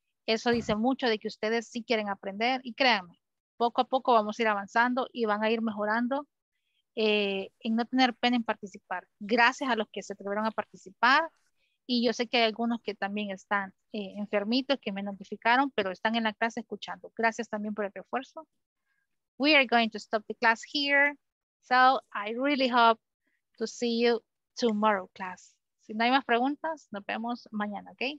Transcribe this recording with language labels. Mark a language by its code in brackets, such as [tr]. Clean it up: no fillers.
[es] Eso dice mucho de que ustedes sí quieren aprender. Y créanme, poco a poco vamos a ir avanzando y van a ir mejorando. En no tener pena en participar. Gracias a los que se atrevieron a participar y yo sé que hay algunos que también están enfermitos, que me notificaron, pero están en la clase escuchando. Gracias también por el refuerzo. [en] We are going to stop the class here. So I really hope to see you tomorrow, class. [es] Si no hay más preguntas, nos vemos mañana, okay?